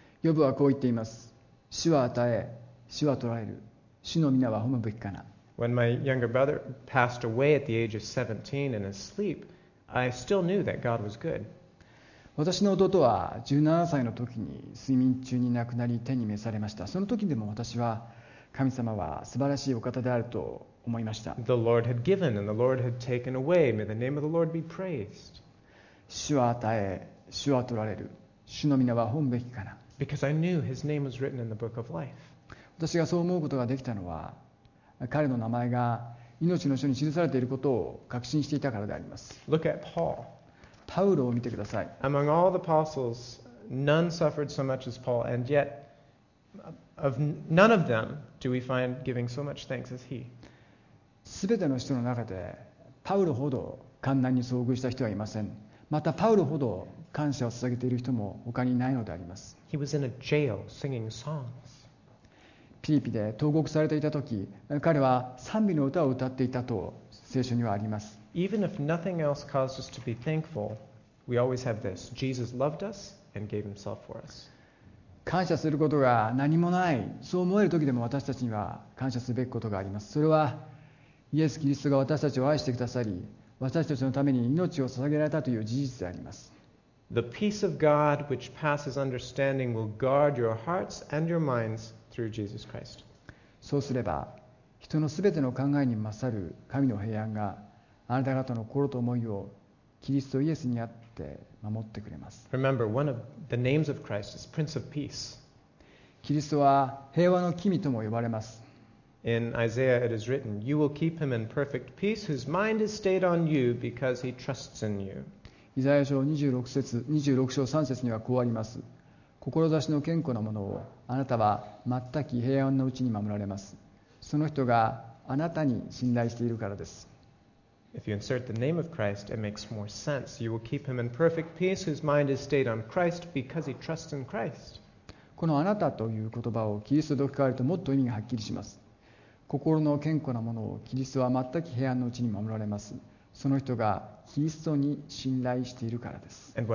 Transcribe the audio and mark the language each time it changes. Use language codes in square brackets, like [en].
[ja] ヨブはこう言っています。主は与え、主は取られる。主の皆は褒むべきかな。 [en] When my younger brother passed away at the age of 17 in his sleep, I still knew that God was good. [ja] 私の弟は17歳の時に睡眠中に亡くなり天に召されました。その時でも私は神様は素晴らしいお方であると思いました。 [en] The Lord had given and the Lord had taken away. May the name of the Lord be praised. [ja] 主は与え、主は取られる。主の皆は誉べきかな。 [en] Because I knew his name was written in the book of life. [ja] 私がそう思うことができたのは、彼の名前が命の書に記されていることを確信していたからであります。 [en] Look at Paul. [ja] パウロを見てください。 [en] Among all the apostles, none suffered so much as Paul, and yet of none of them do we find giving so much thanks as he. [ja] すべての人の中でパウロほど患難に遭遇した人はいません。またパウロほど感謝を捧げている人も他にないのであります。 [en] He was in a jail singing songs. [ja] ピリピで投獄されていた時、彼は賛美の歌を歌っていたと聖書にはあります。 [en] Even if nothing else caused us to be thankful, we always have this. Jesus loved us and gave himself for us. [ja] 感謝することが何もない、そう思える時でも私たちには感謝すべきことがあります。それはイエス・キリストが私たちを愛してくださり、私たちのために命を捧げられたという事実であります。 [en] The peace of God which passes understanding will guard your hearts and your minds. Through Jesus Christ. [ja] そうすれば人のすべての考えに勝る神の平安があなた方の心と思いをキリストイエスにあって守ってくれます。 [en] Remember, one of the names of Christ is Prince of Peace. [ja] キリストは平和の君とも呼ばれます。 [en] In Isaiah it is written, You will keep him in perfect peace whose mind is stayed on you because he trusts in you. [ja] イザヤ書26章3節にはこうあります。志の健康なものをあなたは全く平安のうちに守られます。その人があなたに信頼しているからです。 [en] If you insert the name of Christ, it makes more sense. You will keep him in perfect peace whose mind is stayed on Christ because he trusts in Christ. [ja] このあなたという言葉をキリストと置き換えるともっと意味がはっきりします。心の健康なものをキリストは全く平安のうちに守られます。その人がキリストに信頼しているからです。